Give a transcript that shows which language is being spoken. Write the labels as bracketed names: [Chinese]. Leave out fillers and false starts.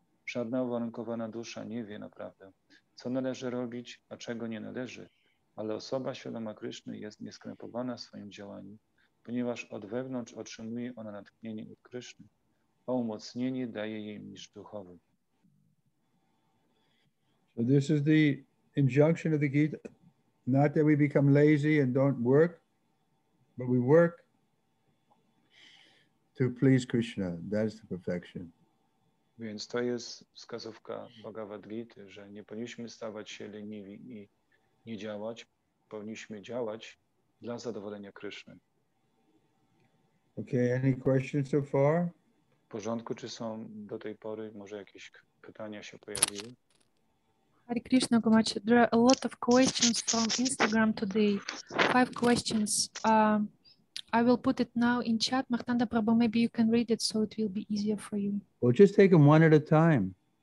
[Polish] Żadna uwarunkowana dusza nie wie naprawdę, co należy robić, a czego nie należy, ale osoba świadoma Kryszny jest nieskrępowana w swoim działaniu, ponieważ od wewnątrz otrzymuje ona natchnienie od Kryszny, a umocnienie daje jej mistrz duchowy. [English] So this is the injunction of the Gita, not that we become lazy and don't work, but we work to please Krishna. That is the perfection. [Polish] Więc to jest wskazówka Bhagavad Gita, że nie powinniśmy stawać się leniwi i nie działać, powinniśmy działać dla zadowolenia Krishny. [English] Okay, any questions so far? [Polish] W porządku, czy są do tej pory może jakieś pytania się pojawiły? [English] Hare Krishna, Gumach. There are a lot of questions from Instagram today. 5 questions. I will put it now in chat. Mahtanda Prabhu, maybe you can read it so it will be easier for you. Well, just take them one at a time.